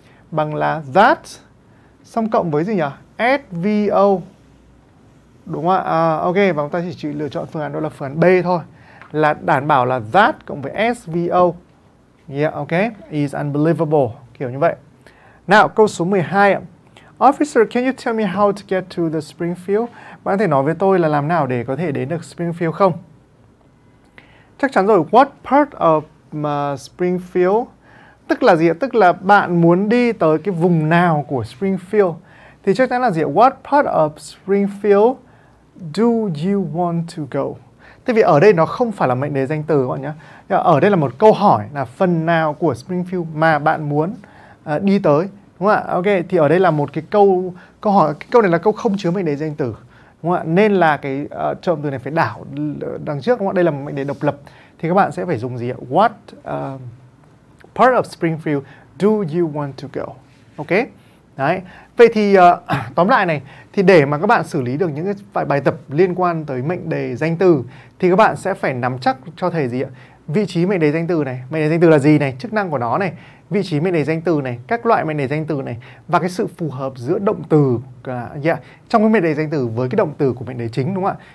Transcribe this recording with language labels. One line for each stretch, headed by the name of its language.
Vietnamese: Bằng là that xong cộng với gì nhỉ? SVO. Đúng không ạ? Ok, và chúng ta chỉ lựa chọn phương án đó là phương án B thôi. Là đảm bảo là that cộng với SVO. Yeah, ok.
English: Is unbelievable,
Vietnamese: kiểu như vậy. Nào, câu số 12 ạ.
English: Officer, can you tell me how to get to the Springfield?
Vietnamese: Bạn có thể nói với tôi là làm nào để có thể đến được Springfield không? Chắc chắn rồi,
English: what part of Springfield?
Vietnamese: Tức là gì ạ? Tức là bạn muốn đi tới cái vùng nào của Springfield? Thì chắc chắn là gì ạ?
English: What part of Springfield do you want to go?
Vietnamese: Tại vì ở đây nó không phải là mệnh đề danh từ các bạn nhé. Ở đây là một câu hỏi là phần nào của Springfield mà bạn muốn đi tới, đúng không ạ? Ok, thì ở đây là một cái câu hỏi, cái câu này là câu không chứa mệnh đề danh từ, đúng không ạ? Nên là cái trộm từ này phải đảo đằng trước, đúng không ạ? Đây là mệnh đề độc lập. Thì các bạn sẽ phải dùng gì ạ?
English: What part of Springfield do you want to go?
Vietnamese: Ok, đấy. Vậy thì tóm lại này, thì để mà các bạn xử lý được những cái bài tập liên quan tới mệnh đề danh từ thì các bạn sẽ phải nắm chắc cho thầy gì ạ? Vị trí mệnh đề danh từ này, mệnh đề danh từ là gì này, chức năng của nó này, vị trí mệnh đề danh từ này, các loại mệnh đề danh từ này, và cái sự phù hợp giữa động từ trong cái mệnh đề danh từ với cái động từ của mệnh đề chính, đúng không ạ?